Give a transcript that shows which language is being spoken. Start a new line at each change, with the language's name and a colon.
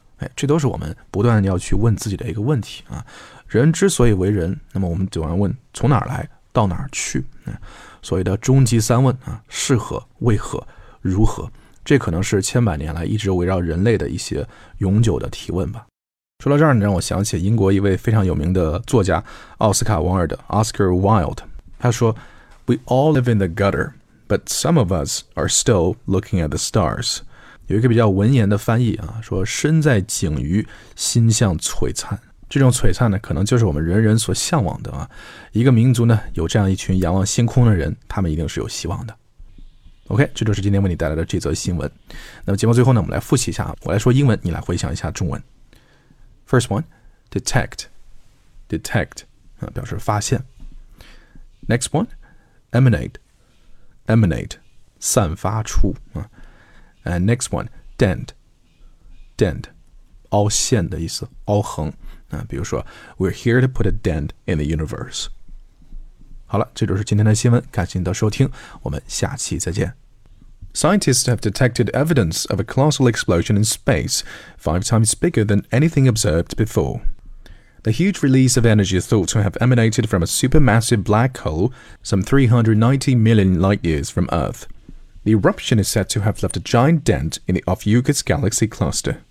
Chinese: 哎，这都是我们不断要去问自己的一个问题啊。人之所以为人，那么我们总要问从哪儿来到哪儿去，所谓的终极三问啊，是何、为何、如何，这可能是千百年来一直围绕人类的一些永久的提问吧。说到这儿，你让我想起英国一位非常有名的作家奥斯卡王尔德 Oscar Wilde， 他说
English: We all live in the gutter but some of us are still looking at the stars。
Chinese: 有一个比较文言的翻译啊，说身在井鱼心向璀璨，这种璀璨呢，可能就是我们人人所向往的啊。一个民族呢，有这样一群仰望星空的人，他们一定是有希望的。 OK， 这就是今天为你带来的这则新闻。那么节目最后呢，我们来复习一下，我来说英文，你来回想一下中文。
English: First one, detect,
Chinese: 表示发现。
English: Next one, emanate,
Chinese: 散发出。
English: And next one, dent,
Chinese: 凹陷的意思，凹痕。比如说
English: ,we're here to put a dent in the universe.
Chinese: 好了，这就是今天的新闻，感谢您的收听，我们下期再见。
English: Scientists have detected evidence of a colossal explosion in space, 5 times bigger than anything observed before. The huge release of energy is thought to have emanated from a supermassive black hole some 390 million light-years from Earth. The eruption is said to have left a giant dent in the Ophiuchus Galaxy Cluster.